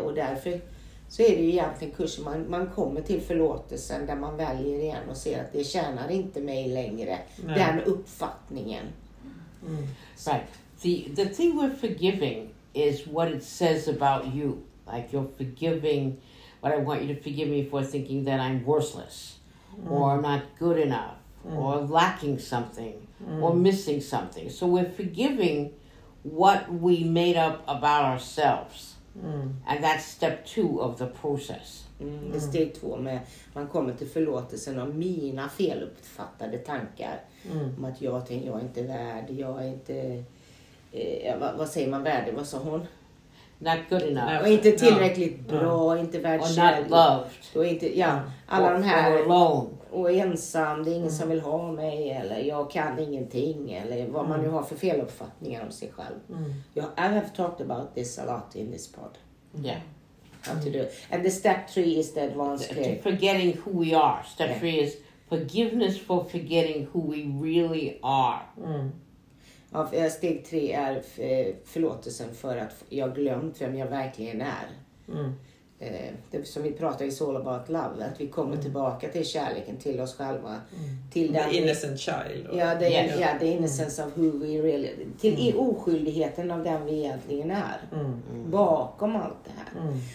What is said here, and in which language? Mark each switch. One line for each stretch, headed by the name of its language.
Swedish: Och därför så är det ju egentligen kursen. Man kommer till förlåtelsen där man väljer igen och ser att det tjänar inte mig längre. Nej. Den uppfattningen.
English: Right. The thing with forgiving is what it says about you. Like you're forgiving, what I want you to forgive me for thinking that I'm worthless. Or I'm not good enough. Or lacking something. Or missing something. So we're forgiving what we made up about ourselves. And that's step two of the process.
Swedish: Det är steg två med man kommer till förlåtelsen av mina feluppfattade tankar. Om att jag tänker, jag är inte värd, jag är inte... vad säger man värdig? Vad sa hon?
English: Not good enough.
Swedish: Och inte tillräckligt bra, inte värd.
English: Or not loved.
Swedish: Och inte, ja, alla
English: or,
Swedish: de här...
English: Or alone.
Swedish: Och ensam, det är ingen som vill ha mig, eller jag kan ingenting, eller vad man nu har för fel uppfattningar om sig själv.
English: I have talked about this a lot in this pod. And the step three is the advanced clearing. To forgetting who we are. Step three is forgiveness for forgetting who we really are.
Swedish: Steg tre är förlåtelsen för att jag glömt vem jag verkligen är. Det som vi pratar i Soul About Love, att vi kommer tillbaka till kärleken, till oss själva, till
English: the innocent child,
Swedish: ja,
English: the innocence of who we really,
Swedish: till oskyldigheten av den vi egentligen är bakom allt det här.